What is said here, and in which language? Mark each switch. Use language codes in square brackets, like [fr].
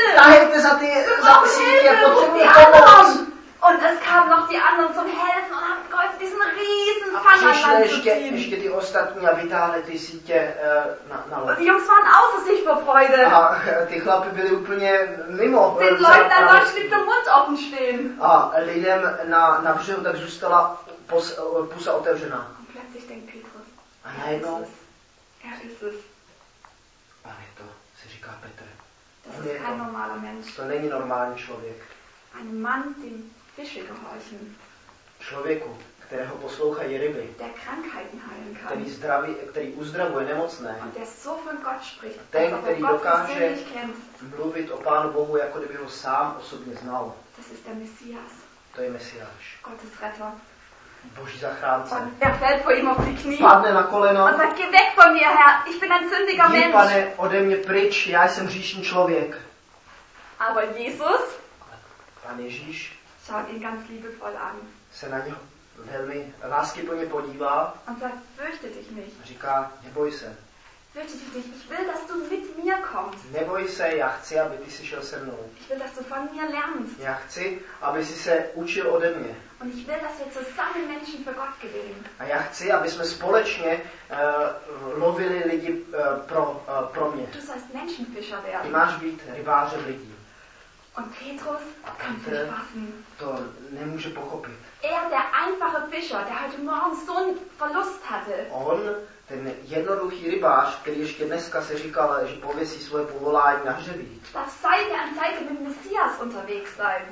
[cs] Chlapi, tahejte za ty, za sítě, potřebuje pomoc! [de] Und es kamen noch die anderen zum Helfen und haben geholfen, diesen riesen Fang an Land zu ziehen. [cs] Ještě die ostatní a vytáhli ty sítě na loď. [de] Die Jungs waren außer sich vor Freude. [cs] A ty chlapy byli úplně mimo. [de] Den Leuten an Land blieb der Mund offen stehen. [cs] A lidem na břehu tak zůstala pusa otevřená. [de] Und plötzlich denkt Petrus. [cs] A najednou. [de] Er ist es. [cs] Ale to, si říká Petr. [de] Das ist kein normaler Mensch. [cs] To není normální člověk. [de] Ein Mann, dem Fische gehorchen. [cs] Člověku, kterého poslouchají ryby. [de] Der Krankheiten heilen kann. [cs] Který zdraví, který uzdravuje nemocné. [de] Und der so von Gott spricht. [cs] Ten, který dokáže mluvit o Pánu Bohu, jako kdyby ho sám osobně znal. [de] Das ist der Messias. [cs] To je Mesiáš. [de] Gottes Retter. [cs] Boží zachránce. [de] Und er fällt vor ihm auf die Knie. [cs] Padne na koleno. [de] Und sagt, geh weg von mir, Herr. Ich bin ein sündiger Mensch. [cs] Jdi, pane, ode mě pryč. Já jsem hříšný člověk. [de] Aber Jesus. [cs] Pan Ježíš [de] schaut ihn ganz liebevoll an. [cs] Se na něho velmi láskyplně podívá. [de] Und sagt, fürchte dich nicht. [cs] Říká, neboj se. [de] Fürchte dich nicht, ich will, dass du mit mir kommst. [cs] Neboj se, já chci, aby ty jsi šel se mnou. [de] Ich will, dass du von mir lernst. [cs] Já chci, aby jsi se učil ode mě. [de] Und ich will, dass wir zusammen Menschen für Gott gewinnen. [cs] A já chci, aby jsme společně lovili lidi pro mě. [de] Du sollst Menschenfischer werden. [cs] Ty máš být rybářem lidí. [de] Und Petrus kann es nicht fassen. [cs] To nemůže pochopit. [de] Er, der einfache Fischer, der heute Morgen so einen Verlust hatte. [cs] On, ten jednoduchý rybář, který ještě dneska se říkal, že pověsí svoje povolání na hřebík. [de] Darf seit der Zeit mit Messias unterwegs sein.